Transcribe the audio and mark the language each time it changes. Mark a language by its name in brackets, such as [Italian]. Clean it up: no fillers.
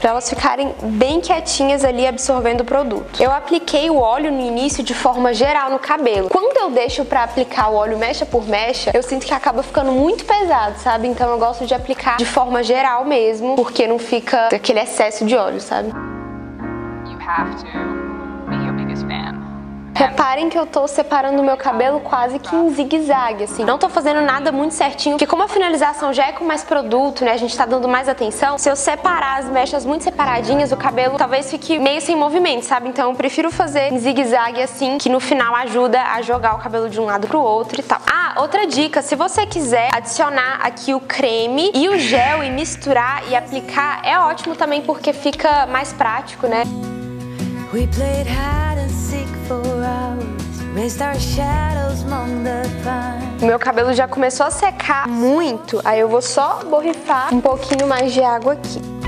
[Portuguese] Pra elas ficarem bem quietinhas ali absorvendo o produto. Eu apliquei o óleo no início de forma geral no cabelo. Quando eu deixo pra aplicar o óleo mecha por mecha, eu sinto que acaba ficando muito pesado, sabe? Então eu gosto de aplicar de forma geral mesmo, porque não fica aquele excesso de óleo, sabe? [English] You have to be your biggest fan. [Portuguese] Reparem que eu tô separando o meu cabelo quase que em zigue-zague, assim. Não tô fazendo nada muito certinho, porque como a finalização já é com mais produto, né, a gente tá dando mais atenção, se eu separar as mechas muito separadinhas, o cabelo talvez fique meio sem movimento, sabe? Então eu prefiro fazer em zigue-zague, assim, que no final ajuda a jogar o cabelo de um lado pro outro e tal. Ah, outra dica, se você quiser adicionar aqui o creme e o gel e misturar e aplicar, é ótimo também porque fica mais prático, né? [English] We played hard and sick for hours, raised our shadows among the pines. [Portuguese] Meu cabelo já começou a secar muito, aí eu vou só borrifar um pouquinho mais de água aqui.